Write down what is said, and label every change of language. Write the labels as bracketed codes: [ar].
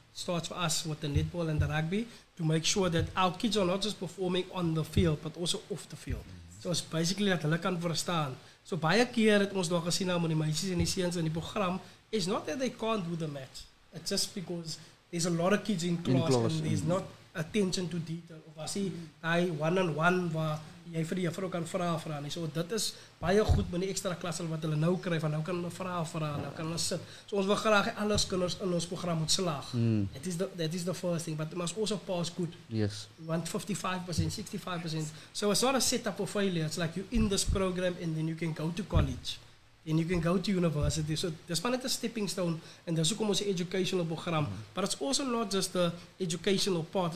[en] It starts for us with the netball and the rugby to make sure that our kids are not just performing on the field, but also off the field. So it's basically that [af] hulle kan verstaan. So baie keer het ons daar gesien met die meisies en die seuns in die program, [en] it's not that they can't do the match. It's just because there's a lot of kids in class and there's not attention to detail. [af] Of as jy one-on-one waar jy vir die juffrou kan vra. So dit is baie goed met die extra klasse wat hulle nou kry, van nou kan hulle vra, nou kan hulle sit. So ons wil graag alles kinders in ons program moet slaag. [en] That is the first thing, but it must also pass good. Yes. Want 55%, 65%. So it's not a setup of failure. It's like you're in this program and then you can go to college. And you can go to university. So that's not a stepping stone. And that's also our educational program. Mm-hmm. But it's also not just the educational part.